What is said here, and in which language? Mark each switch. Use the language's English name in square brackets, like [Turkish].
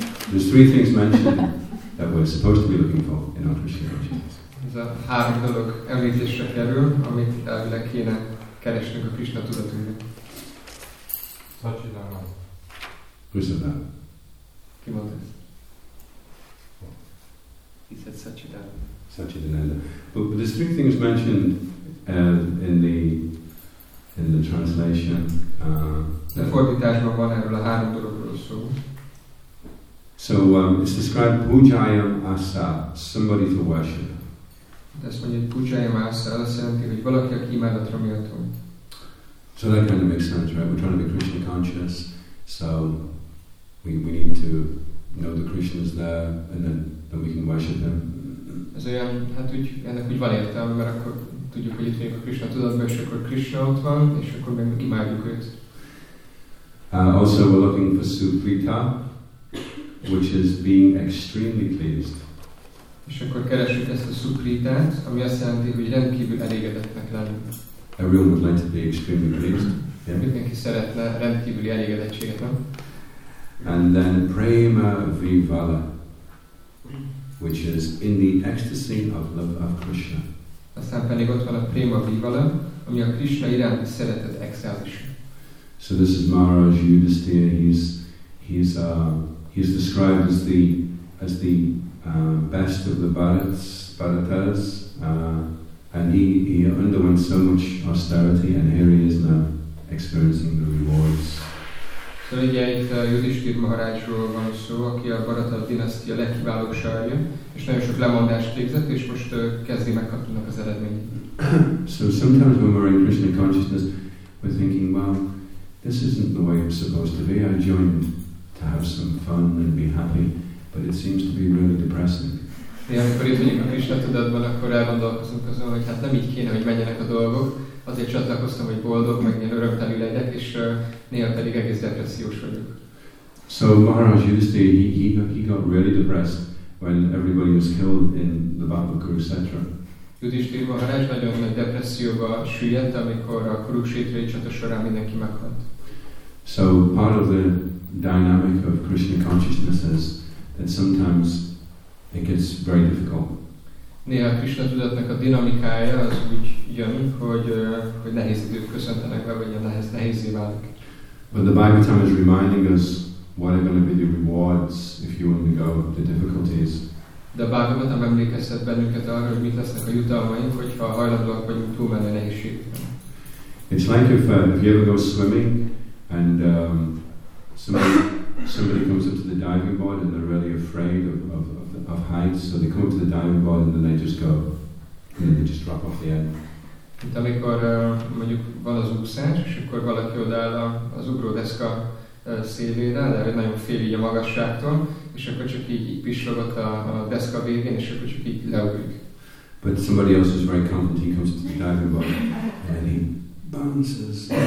[English] There's three things mentioned that we're supposed to be looking for in our Krishna consciousness. [Hungarian] Ez a három dolog említésre kerül, amit elvileg kéne keresnünk a Krishna tudatunkban. [English] Satchidana. Prasadam. [Hungarian] Ki mondta ezt? [English] He said Satchidananda. But there's three things mentioned in the translation. [Hungarian] De fordításban van erről a három dologról szó. [English] So it's described Pujayam Asa, somebody to worship. [Hungarian] De azt mondja, hogy Pujayam Asa, azt jelenti, hogy valaki, aki imádatra méltó. [English] So that kind of makes sense, right? We're trying to be Krishna conscious, so we need to know that Krishna is there, and then we can worship him. [Hungarian] Ez olyan, hát úgy, ennek úgy van értelme, mert akkor tudjuk, hogy itt vagyunk a Krishna tudatban, és akkor Krishna ott van, és akkor meg imádjuk őt. [English] Also we're looking for Suprita, which is being extremely pleased. [Hungarian] És akkor keresünk ezt a Supritát, ami azt jelenti, hogy rendkívül elégedettnek lenni. [English] Everyone would like to be extremely pleased. Yeah. [Hungarian] Mindenki szeretne rendkívüli elégedettséget, nem? [English] And then prema vivala, which is in the ecstasy of love of Krishna. [Hungarian] Aztán pedig ott van a prema vivala, ami a Krishna iránti szeretet extázisa. [English] So this is Maharaj Yudhisthira. He's described as the best of the Bharatas, and he underwent so much austerity, and here he is now experiencing the rewards. [Hungarian] Szóval ugye itt Yudhisthir Maharajról van szó, aki a Bharata dinasztia legkiválóbb sarja, és nagyon sok lemondást végzett, és most kezdi megkapni az eredményt. [English] So sometimes when we're in Krishna consciousness, we're thinking, well, this isn't the way I'm supposed to be. I joined to have some fun and be happy, but it seems to be really depressing. [Hungarian] De amikor itt vagyunk a Krishna tudatban, akkor elgondolkozunk azon, hogy hát nem így kéne, hogy menjenek a dolgok. Azért csatlakoztam, hogy boldog, meg ilyen örömteli legyek, és néha pedig egész depressziós vagyok. [English] So Maharaj Yudhisthira, he got really depressed when everybody was killed in the battle of Kurukshetra. [Hungarian] Yudhisthira Maharaj nagyon nagy depresszióba süllyedt, amikor a Kurukshetrai csata során mindenki meghalt. [English] So part of the dynamic of Krishna consciousness is that sometimes it gets very difficult. [Hungarian] Néha a Krishna tudatnak a dinamikája az úgy jön, hogy nehéz időt köszöntenek be, vagy nehézé válik. [English] But the Bhagavatam is reminding us what are going to be the rewards if you undergo the difficulties. [Hungarian] De a Bhagavatam emlékeztet bennünket arra, hogy mit lesznek a jutalmaink, hogyha hajlandóak vagyunk túlmenni a nehézségeken. [English] It's like if you ever go swimming and somebody comes up to the diving board and they're really afraid of heights, so they come to the diving board and then they just go and then they just drop off the end. [Hungarian] Itt amikor mondjuk van az úszás, és akkor valaki odáll az ugródeszka szélére, de nagyon fél így a magasságtól, és akkor csak így pislog ott a deszka végén, és akkor csak így leugrik. [English] But somebody else is very confident, he comes to the diving board and he bounces.